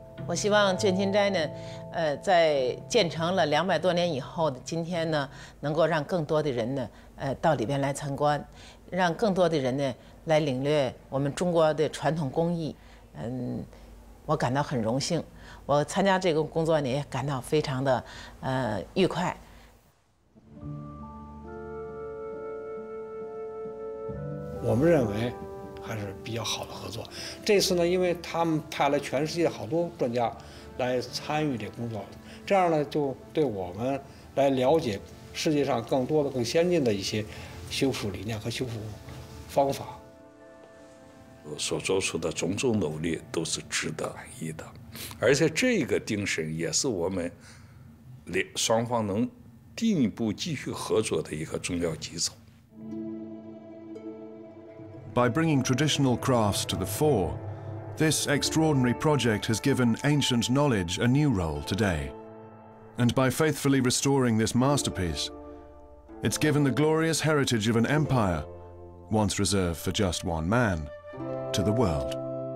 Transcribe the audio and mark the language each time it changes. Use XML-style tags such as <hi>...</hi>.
<en>I hope that Juanqinzhai, after being built for 200 years, can bring more people to the inside.</en> <zh>让更多的人呢来领略我们中国的传统工艺，我感到很荣幸，我参加这个工作呢也感到非常的愉快。我们认为还是比较好的合作。这次呢，因为他们派了全世界好多专家来参与这工作，这样呢就对我们来了解世界上更多的更先进的一些修复理念和修复方法，所做出的种种努力都是值得满意的，而且这个精神也是我们双方能进一步继续合作的一个重要基础。</zh> <en>By bringing traditional crafts to the fore, this extraordinary project has given ancient knowledge a new role today, and by faithfully restoring this masterpiece. It's given the glorious heritage of an empire, once reserved for just one man, to the world.</en>